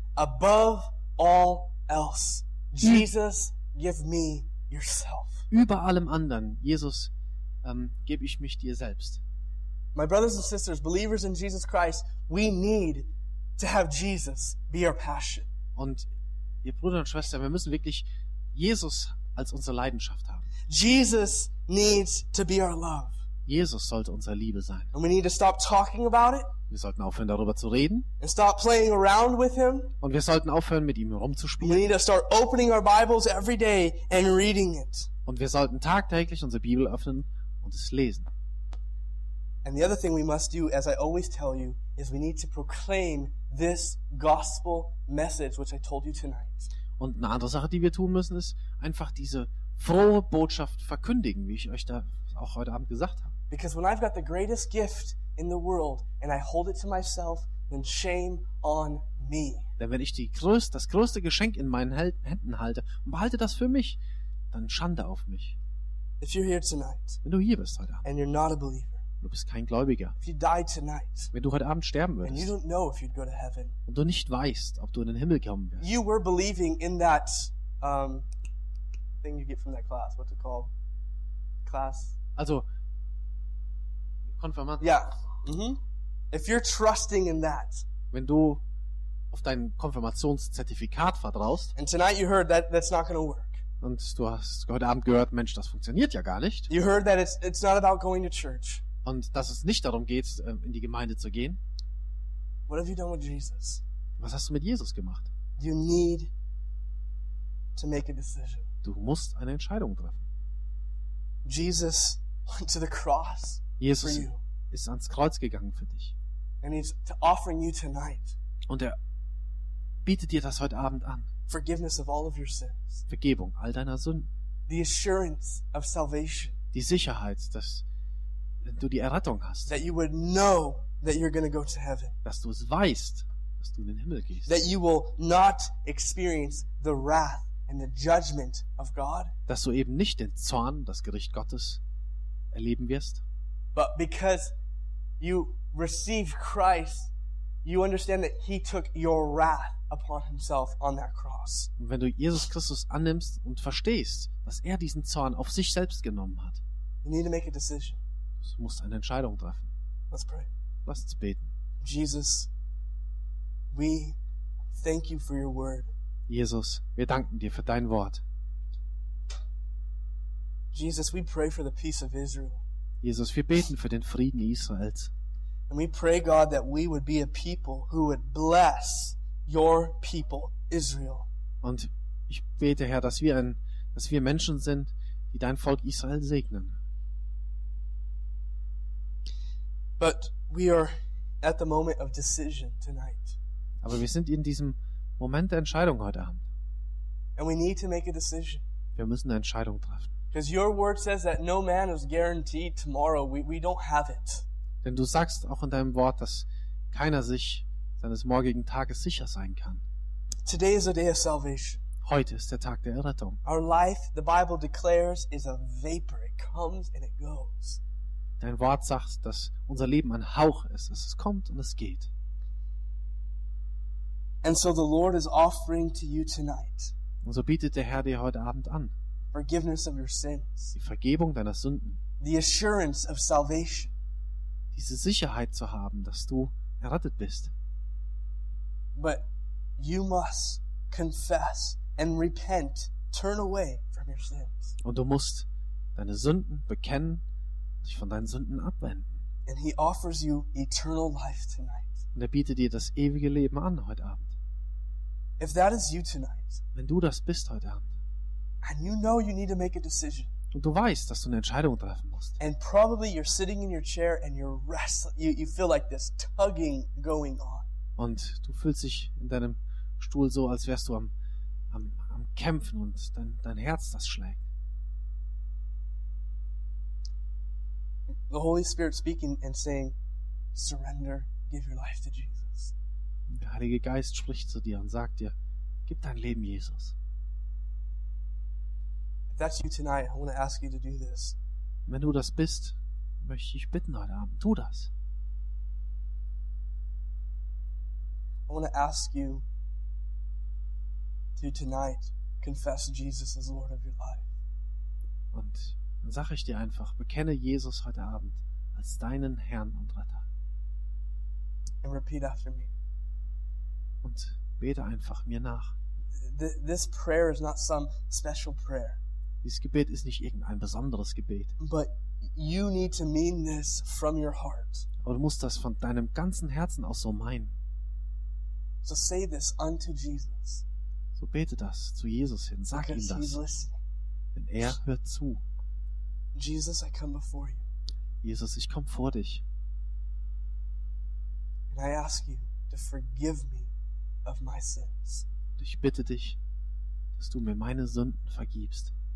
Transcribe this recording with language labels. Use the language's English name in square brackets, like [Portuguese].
[English] Above all else, Jesus, give me yourself. [German] Über allem anderen, Jesus, gebe ich mich dir selbst. [English] My brothers and sisters, believers in Jesus Christ, we need to have Jesus be our passion. [German] Und ihr Brüder und Schwestern, wir müssen wirklich Jesus als unsere Leidenschaft haben. [English] Jesus needs to be our love. [German] Jesus sollte unsere Liebe sein. [English] And we need to stop talking about it. [German] Wir sollten aufhören, darüber zu reden. [English] And stop playing around with him. [German] Und wir sollten aufhören, mit ihm rumzuspielen. [English] We need to start opening our Bibles every day and reading it. [German] Und wir sollten tagtäglich unsere Bibel öffnen und es lesen. [English] And the other thing we must do, as I always tell you, is we need to proclaim this gospel message, which I told you tonight. [German] Und eine andere Sache, die wir tun müssen, ist einfach diese frohe Botschaft verkündigen, wie ich euch da auch heute Abend gesagt habe. [English] Because when I've got the greatest gift in the world and I hold it to myself, then shame on me. [German] Denn wenn ich das größte Geschenk in meinen Händen halte und behalte das für mich, dann Schande auf mich. [English] If you're here tonight, [German] wenn du hier bist heute Abend, [English] and you're not a believer, [German] du bist kein Gläubiger. [English] If you die tonight, [German] wenn du heute Abend sterben würdest, [English] and you don't know if you'd go to heaven, [German] und du nicht weißt, ob du in den Himmel kommen wirst, [English] you were believing in that thing you get from that class. What's it called? Class. [German] Also Konfirmation. Yeah. Mm-hmm. [English] If you're trusting in that, [German] wenn du auf dein Konfirmationszertifikat vertraust, [English] and tonight you heard that that's not going to work. [German] Und du hast heute Abend gehört, Mensch, das funktioniert ja gar nicht. [English] You heard that it's not about going to church. [German] Und dass es nicht darum geht, in die Gemeinde zu gehen. [English] What have you done with Jesus? [German] Was hast du mit Jesus gemacht? [English] You need to make a decision. [German] Du musst eine Entscheidung treffen. [English] Jesus went to the cross. [German] Jesus ist ans Kreuz gegangen für dich. [English] And he's offering you tonight. [German] Und er bietet dir das heute Abend an. [English] Forgiveness of all of your sins. [German] Vergebung all deiner Sünden. [English] The assurance of salvation. [German] Die Sicherheit, dass du die Errettung hast. [English] That you would know that you're going to go to heaven. [German] Dass du es weißt, dass du in den Himmel gehst. [English] That you will not experience the wrath and the judgment of God. [German] Dass du eben nicht den Zorn, das Gericht Gottes erleben wirst. [English] But because you receive Christ, you understand that he took your wrath upon himself on that cross. [German] Und wenn du Jesus Christus annimmst und verstehst, dass er diesen Zorn auf sich selbst genommen hat, [English] you need to make a decision. [German] Du musst eine Entscheidung treffen. [English] Let's pray. [German] Lass uns beten. [English] Jesus, we thank you for your word. [German] Jesus, wir danken dir für dein Wort. [English] Jesus, we pray for the peace of Israel. [German] Jesus, wir beten für den Frieden Israels. [English] And we pray, God, that we would be a people who would bless your people, Israel. [German] Und ich bete, Herr, dass wir Menschen sind, die dein Volk Israel segnen. [English] But we are at the moment of decision tonight. [German] Aber wir sind in diesem Moment der Entscheidung heute Abend. [English] And we need to make a decision. [German] Wir müssen eine Entscheidung treffen. [English] Because your word says that no man is guaranteed tomorrow. We don't have it. [German] Denn du sagst auch in deinem Wort, dass keiner sich seines morgigen Tages sicher sein kann. [English] Today is a day of salvation. [German] Heute ist der Tag der Errettung. [English] Our life, the Bible declares, is a vapor. It comes and it goes. [German] Dein Wort sagt, dass unser Leben ein Hauch ist, dass es kommt und es geht. [English] And so the Lord is offering to you tonight. [German] Und so bietet der Herr dir heute Abend an. [English] Forgiveness of your sins. [German] Die Vergebung deiner Sünden. [English] The assurance of salvation. [German] Diese Sicherheit zu haben, dass du errettet bist. [English] But you must confess and repent, turn away from your sins. [German] Und du musst deine Sünden bekennen, dich von deinen Sünden abwenden. [English] And he offers you eternal life tonight. [German] Und er bietet dir das ewige Leben an heute Abend. [English] If that is you tonight. [German] Wenn du das bist heute Abend. [English] And you know you need to make a decision. [German] Und du weißt, dass du eine Entscheidung treffen musst. [English] And probably you're sitting in your chair and you're wrestling. You feel like this tugging going on. [German] Und du fühlst dich in deinem Stuhl so, als wärst du am Kämpfen und dein Herz das schlägt. [English] The Holy Spirit speaking and saying, surrender, give your life to Jesus. [German] Der Heilige Geist spricht zu dir und sagt dir, gib dein Leben Jesus. [English] That's you tonight. I want to ask you to do this. [German] Wenn du das bist, möchte ich bitten heute Abend, tu das. [English] I want to ask you to tonight confess Jesus as Lord of your life. [German] Und dann sage ich dir einfach, bekenne Jesus heute Abend als deinen Herrn und Retter. [English] And repeat after me. [German] Und bete einfach mir nach. [English] This prayer is not some special prayer. [German] Dieses Gebet ist nicht irgendein besonderes Gebet. [English] But you need to mean this from your heart. [German] Aber du musst das von deinem ganzen Herzen aus so meinen. [English] So say this unto Jesus. [German] So bete das zu Jesus hin. Sag [English] Because [German] ihm das. [English] He's listening. [German] Denn er hört zu. [English] Jesus, I come before you. [German] Jesus, ich komme vor dich. [English] And I ask you to forgive me of my sins. [German] Und ich bitte dich, dass du mir meine Sünden vergibst.